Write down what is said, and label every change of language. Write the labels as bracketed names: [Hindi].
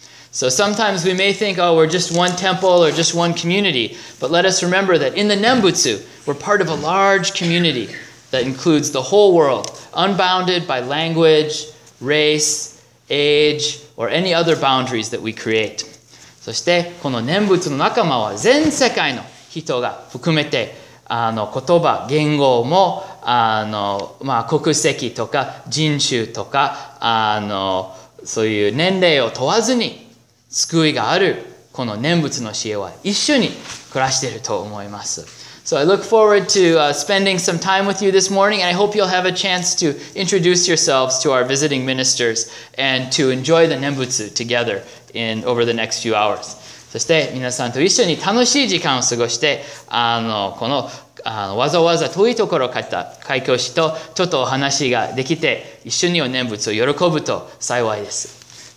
[English] So sometimes we may think, oh, we're just one temple or just one community, but let us remember that in the Nembutsu, we're part of a large community that includes the whole world, unbounded by language, race, age, or any other boundaries that we create. [Japanese] そしてこの Nembutsu の仲間は全世界の人が含めて言葉、言語も国籍とか人種とかそういう年齢を問わずに救いがあるこの念仏の教えは一緒に暮らしていると思います。 [English] So I look forward to spending some time with you this morning and I hope you'll have a chance to introduce yourselves to our visiting ministers and to enjoy the 念仏 together in over the next few hours. [Japanese] そして皆さんと一緒に楽しい時間を過ごしてこのわざわざ遠いところから来た開教師とちょっとお話ができて一緒にお念仏を喜ぶと幸いです。